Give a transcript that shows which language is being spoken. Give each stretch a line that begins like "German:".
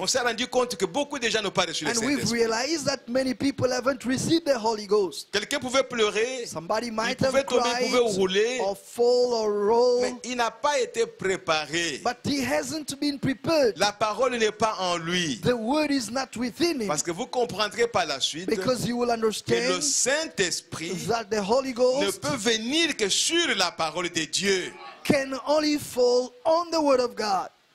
French: On s'est rendu compte que beaucoup de gens n'ont pas reçu le Saint-Esprit.
English: And we've realized that many people haven't received the Holy Ghost.
French: Quelqu'un pouvait pleurer.
English: Somebody might have cried.
French: Il pouvait rouler.
English: Or fall or roll.
French: Mais il n'a pas été préparé.
English: But he hasn't been prepared.
French: La parole n'est pas en lui.
English: The word is not within him.
French: Parce que vous comprendrez par la suite.
English: Because you will understand.
French: Que le Saint-Esprit.
English: That the Holy Ghost.
French: Ne peut venir que sur la parole de Dieu.
English: Can only fall on the word of God.